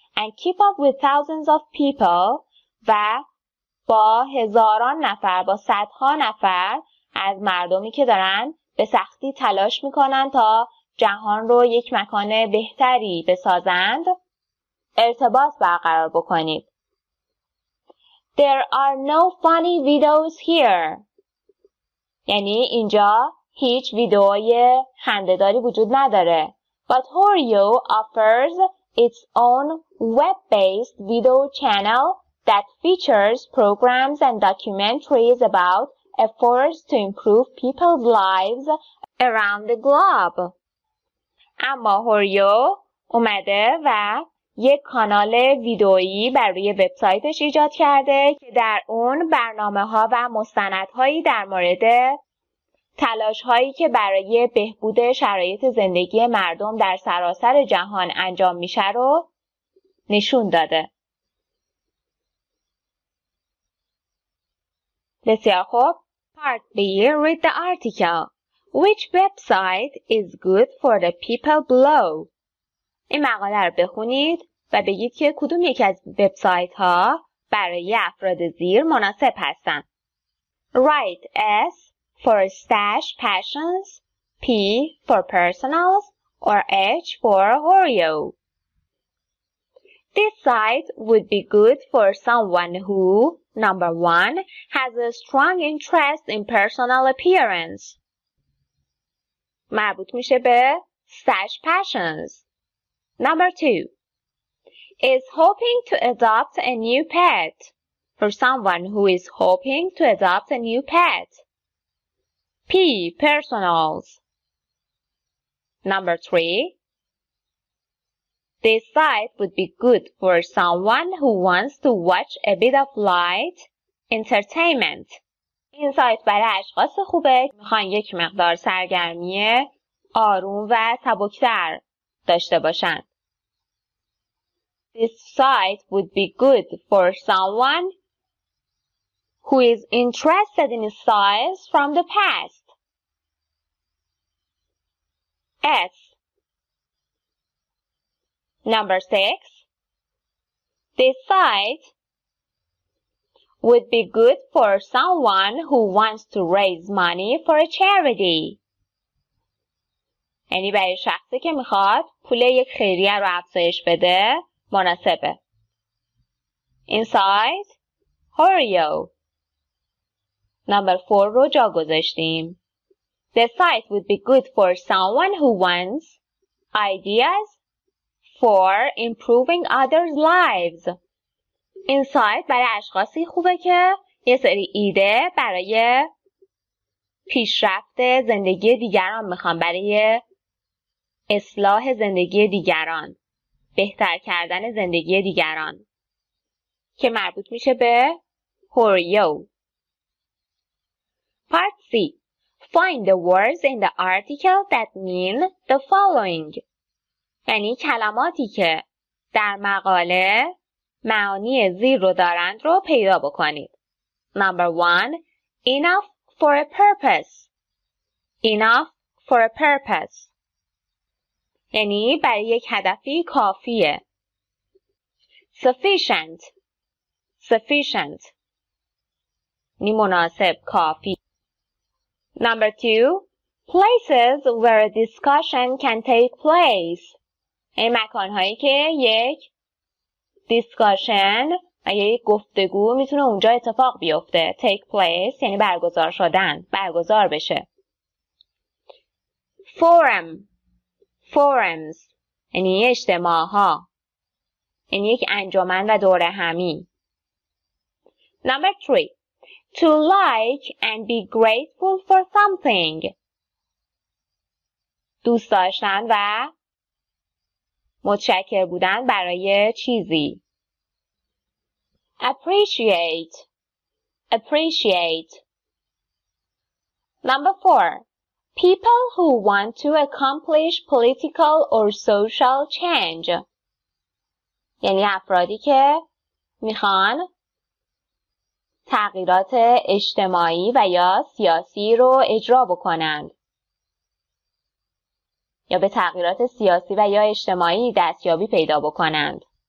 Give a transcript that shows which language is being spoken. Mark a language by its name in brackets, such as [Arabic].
[English] And keep up with thousands of people [Persian] و با هزاران نفر، با صدها نفر از مردمی که دارن به سختی تلاش میکنن تا جهان رو یک مکان بهتری بسازند ارتباط برقرار بکنید. [English] There are no funny videos here. [Persian] یعنی اینجا هیچ ویدئوی خنده‌داری وجود نداره. [English] But Horio offers its own web-based video channel that features programs and documentaries about efforts to improve people's lives around the globe. اما Horio [Persian] اومده و یک کانال ویدئویی برای وبسایتش ایجاد کرده که در اون برنامه‌ها و مستندهایی در مورد تلاش‌هایی که برای بهبود شرایط زندگی مردم در سراسر جهان انجام میشه رو نشون داده. بسیار خوب. [English] Part B, read the article. Which website is good for the people below? [Persian] این مقاله رو بخونید و بگید که کدوم یکی از وبسایت ها برای افراد زیر مناسب هستن. [English] Write S for stash passions, P for personals, or H for horio. This site would be good for someone who, number one, has a strong interest in personal appearance. [Persian] مربوط میشه به stash passions. [English] Number two, is hoping to adopt a new pet. For someone who is hoping to adopt a new pet. P. Personals. Number three, this site would be good for someone who wants to watch a bit of light entertainment. [Persian] این سایت برای اشخاص خوبه که میخوان یک مقدار سرگرمی آروم و سبکتر داشته باشن. [English] This site would be good for someone who is interested in styles from the past. S. Number 6. This site would be good for someone who wants to raise money for a charity. [Persian] یعنی برای شخصی که میخواد پول یک خیریه رو افزایش بده مناسبه. [English] Inside, Horio. Number 4 [Persian] رو جا گذاشتیم. [English] The site would be good for someone who wants ideas for improving others' lives. [Persian] این سایت برای اشخاصی خوبه که یه سری ایده برای پیشرفت زندگی دیگران میخوان، برای اصلاح زندگی دیگران، بهتر کردن زندگی دیگران، که مربوط میشه به هوریو. [English] Part C. Find the words in the article that mean the following. [Persian] یعنی کلماتی که در مقاله معانی زیر رو دارند رو پیدا بکنید. [English] Number one, enough for a purpose. Enough for a purpose. [Persian] یعنی برای یک هدفی کافیه. [English] Sufficient. Sufficient. [Persian] یعنی مناسب، کافی. [English] Number two, places where a discussion can take place. [Persian] این مکانهایی که یک دیسکاشن یه گفتگو میتونه اونجا اتفاق بیفته. Take place یعنی برگزار شدن، برگزار بشه. [English] Forum. [Persian] Forums یعنی اجتماع ها، یعنی یک انجمن و دوره همی. [English] Number 3. To like and be grateful for something. [Persian] دوست داشتن و متشکر بودن برای چیزی. [English] Appreciate. Appreciate. Number 4. People who want to accomplish political or social change. [Persian] یعنی افرادی که میخوان تغییرات اجتماعی و یا سیاسی رو اجرا بکنند. یا به تغییرات سیاسی و یا اجتماعی دستیابی پیدا بکنند.